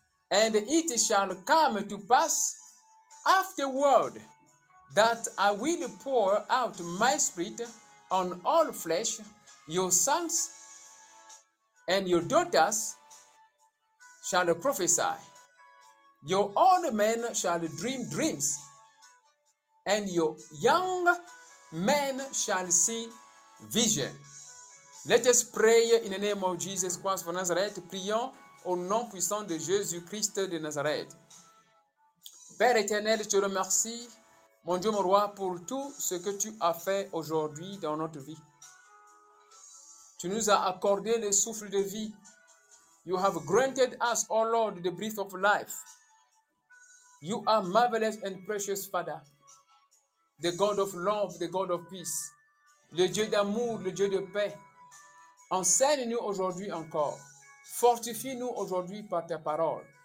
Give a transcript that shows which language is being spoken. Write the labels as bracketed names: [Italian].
[English] And it shall come to pass afterward that I will pour out my spirit on all flesh, your sons, and your daughters shall prophesy. Your old men shall dream dreams, and your young men shall see vision. Let us pray in the name of Jesus Christ of Nazareth. [French] Prions au nom puissant de Jésus-Christ de Nazareth. Père éternel, je te remercie, mon Dieu, mon roi, pour tout ce que tu as fait aujourd'hui dans notre vie. Tu nous as accordé le souffle de vie. [English] You have granted us, O Lord, the breath of life. You are marvelous and precious Father, the God of love, the God of peace, [French] le Dieu d'amour, le Dieu de paix. Enseigne-nous aujourd'hui encore. Fortifie-nous aujourd'hui par ta parole.